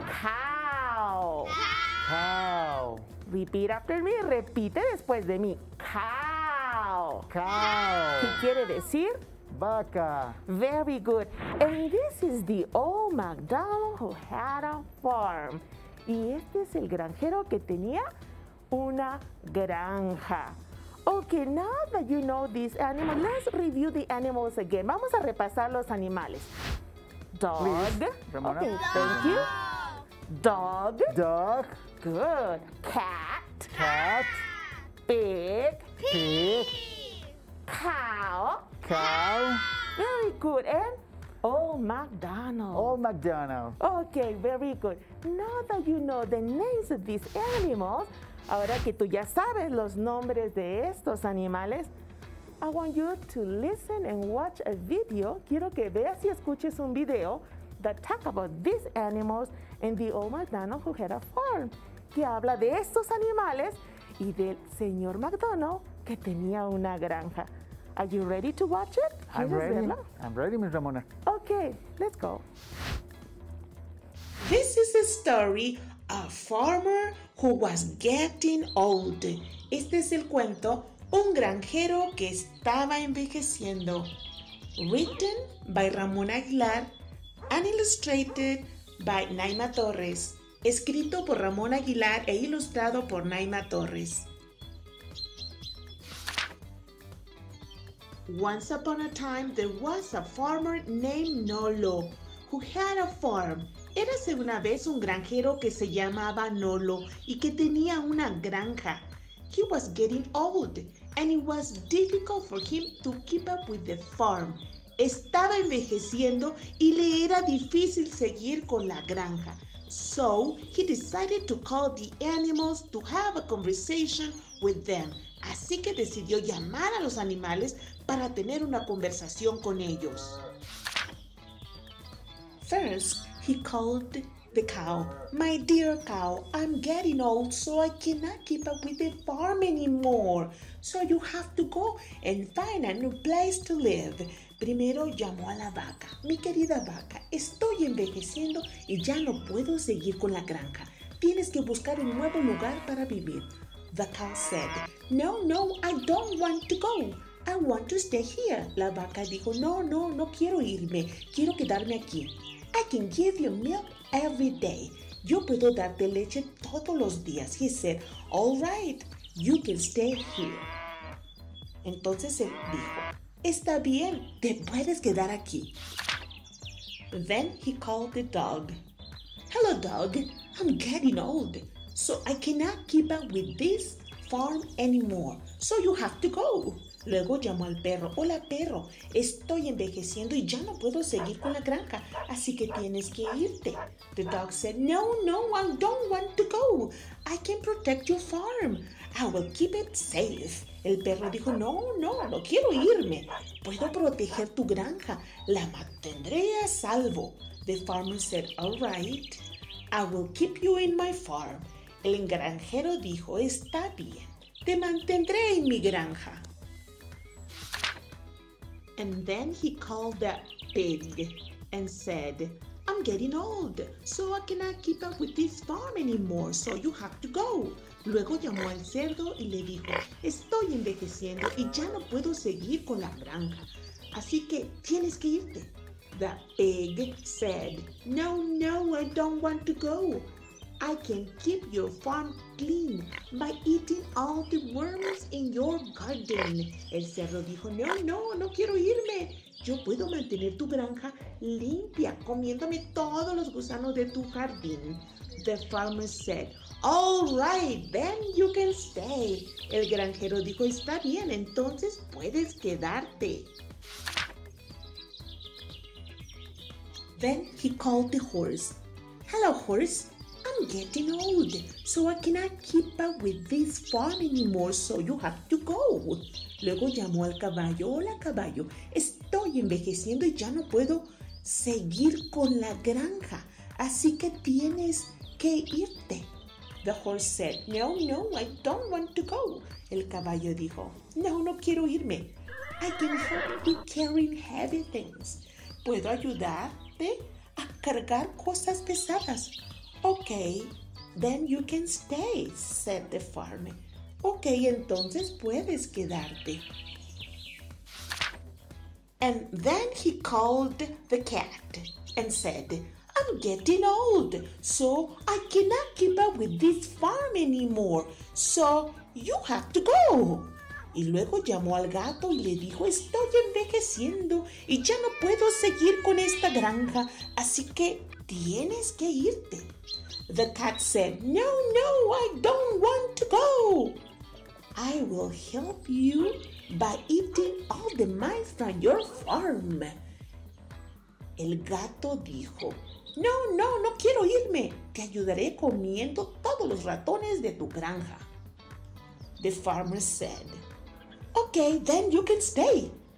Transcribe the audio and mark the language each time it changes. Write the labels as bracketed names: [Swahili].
[English] Cow. Cow. Repeat after me. [Spanish] Repite después de mí. [English] Cow. Cow. [Spanish] ¿Qué quiere decir? Vaca. [English] Very good. And this is the old MacDonald who had a farm. [Spanish] Y este es el granjero que tenía una granja. [English] Okay, now that you know these animals, let's review the animals again. [Spanish] Vamos a repasar los animales. Dog. [English] Please, okay, thank you. Dog. Dog. Good. Cat. Cat. Pig. Pig. Cow. Cow. Very good. And Old MacDonald. Old MacDonald. Okay, very good. Now that you know the names of these animals, [Spanish] ahora que tú ya sabes los nombres de estos animales, [English] I want you to listen and watch a video. [Spanish] Quiero que veas y escuches un video [English] that talk about these animals and the old MacDonald who had a farm, [Spanish] que habla de estos animales y del señor MacDonald que tenía una granja. [English] Are you ready to watch it? I'm ready. I'm ready, Ms. Ramona. Okay, let's go. This is a story a farmer who was getting old. [Spanish] Este es el cuento Un granjero que estaba envejeciendo. [English] Written by Ramón Aguilar and illustrated by Naima Torres. [Spanish] Escrito por Ramón Aguilar e ilustrado por Naima Torres. [English] Once upon a time, there was a farmer named Nolo who had a farm. [Spanish] Érase una vez un granjero que se llamaba Nolo y que tenía una granja. [English] He was getting old, and it was difficult for him to keep up with the farm. [Spanish] Estaba envejeciendo y le era difícil seguir con la granja. [English] So, he decided to call the animals to have a conversation with them. [Spanish] Así que decidió llamar a los animales para tener una conversación con ellos. [English] First, he called the cow. My dear cow, I'm getting old, so I cannot keep up with the farm anymore. So you have to go and find a new place to live. [Spanish] Primero llamó a la vaca. Mi querida vaca, estoy envejeciendo y ya no puedo seguir con la granja. Tienes que buscar un nuevo lugar para vivir. [English] The cow said, no, no, I don't want to go. I want to stay here. [Spanish] La vaca dijo, no, no, no quiero irme. Quiero quedarme aquí. [English] I can give you milk every day. [Spanish] Yo puedo darte leche todos los días. [English] He said, all right, you can stay here. [Spanish] Entonces él dijo, está bien, te puedes quedar aquí. [English] Then he called the dog. Hello, dog. I'm getting old. so I cannot keep up with this farm anymore. So you have to go. [Spanish] Luego llamó al perro. Hola, perro. Estoy envejeciendo y ya no puedo seguir con la granja. Así que tienes que irte. [English] The dog said, no, no, I don't want to go. I can protect your farm. I will keep it safe. [Spanish] El perro dijo, no, no, no quiero irme. Puedo proteger tu granja. La mantendré a salvo. [English] The farmer said, all right. I will keep you in my farm. [Spanish] El granjero dijo, está bien. Te mantendré en mi granja. [English] And then he called the pig and said, I'm getting old, so I cannot keep up with this farm anymore, so you have to go. [Spanish] Luego llamó al cerdo y le dijo, estoy envejeciendo y ya no puedo seguir con la granja, así que tienes que irte. [English] The pig said, no, no, I don't want to go. I can keep your farm clean by eating all the worms in your garden. [Spanish] El cerdo dijo, no, no, no quiero irme. Yo puedo mantener tu granja limpia comiéndome todos los gusanos de tu jardín. [English] The farmer said, all right, then you can stay. [Spanish] El granjero dijo, está bien, entonces puedes quedarte. [English] Then he called the horse. Hello, horse. I'm getting old, so I cannot keep up with this farm anymore, so you have to go. [Spanish] Luego llamó al caballo. Hola, caballo. Estoy envejeciendo y ya no puedo seguir con la granja, así que tienes que irte. [English] The horse said, no, no, I don't want to go. [Spanish] El caballo dijo, no, no quiero irme. [English] I can help you carrying heavy things. [Spanish] Puedo ayudarte a cargar cosas pesadas. [English] Okay, then you can stay, said the farmer. [Spanish] Okay, entonces puedes quedarte. [English] And then he called the cat and said, I'm getting old, so I cannot keep up with this farm anymore. So you have to go. [Spanish] Y luego llamó al gato y le dijo, estoy envejeciendo y ya no puedo seguir con esta granja, así que tienes que irte. [English] The cat said, no, no, I don't want to go. I will help you by eating all the mice from your farm. [Spanish] El gato dijo, no, no, no quiero irme. Te ayudaré comiendo todos los ratones de tu granja. [English] The farmer said, okay, then you can stay.